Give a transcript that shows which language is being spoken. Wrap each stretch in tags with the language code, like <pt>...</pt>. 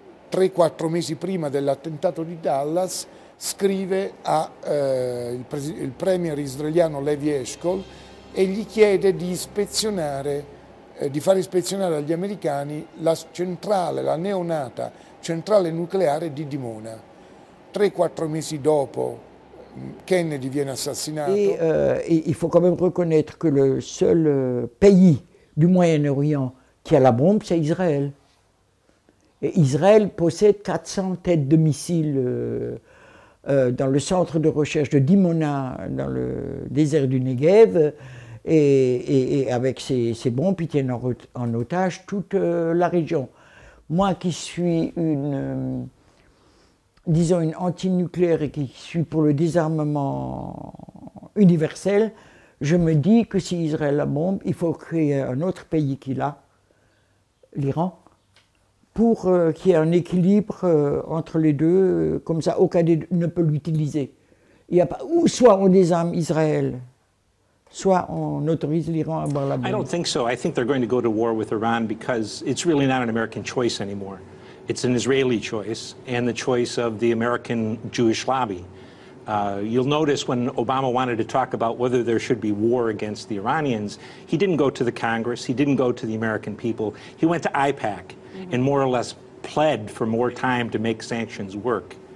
<it>3-4 mesi prima dell'attentato di Dallas, scrive a il premier israeliano Levi Eshkol e gli chiede di far ispezionare agli americani la neonata centrale nucleare di Dimona. 3-4 mesi dopo Kennedy viene assassinato.</it> <fr>Et il faut quand même reconnaître que le seul pays du Moyen-Orient qui a la bombe, c'est Israël. Et Israël possède 400 têtes de missiles dans le centre de recherche de Dimona, dans le désert du Negev, et avec ces bombes, ils tiennent en otage toute la région. Moi qui suis une anti-nucléaire et qui suis pour le désarmement universel, je me dis que si Israël la bombe, il faut créer un autre pays qui l'a, l'Iran, pour qu'il y ait un équilibre entre les deux, comme ça aucun des deux ne peut l'utiliser. Il y a pas, ou soit on désarme Israël, soit on autorise l'Iran à avoir la bombe.</fr> <en>I don't think so. I think they're going to go to war with Iran because it's really not an American choice anymore. It's an Israeli choice and the choice of the American Jewish lobby. You'll notice when Obama wanted to talk about whether there should be war against the Iranians, he didn't go to the Congress, he didn't go to the American people, he went to AIPAC and more or less pled for more time to make sanctions work.</en>